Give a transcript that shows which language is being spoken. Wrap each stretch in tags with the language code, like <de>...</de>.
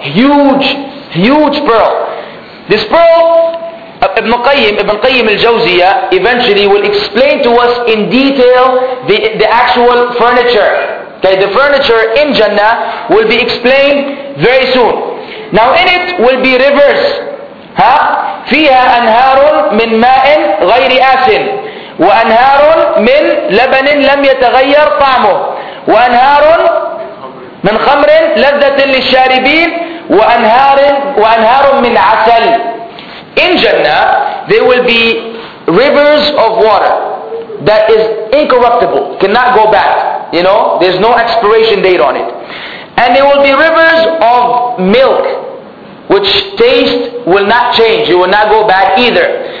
<en>Huge, huge pearl. This pearl, Ibn Qayyim al-Jawziyah eventually will explain to us in detail the actual furniture. Okay, the furniture in Jannah will be explained very soon. Now in it will be rivers. Huh?</en> <ar>فيها أنهار من ماء غير آس وأنهار من لبن لم يتغير طعمه وأنهار من خمر لذة للشاربين وأنهار من عسل.</ar> <en>In Jannah there will be rivers of water that is incorruptible, cannot go back, you know, there's no expiration date on it. And there will be rivers of milk which taste will not change, it will not go bad either.</en>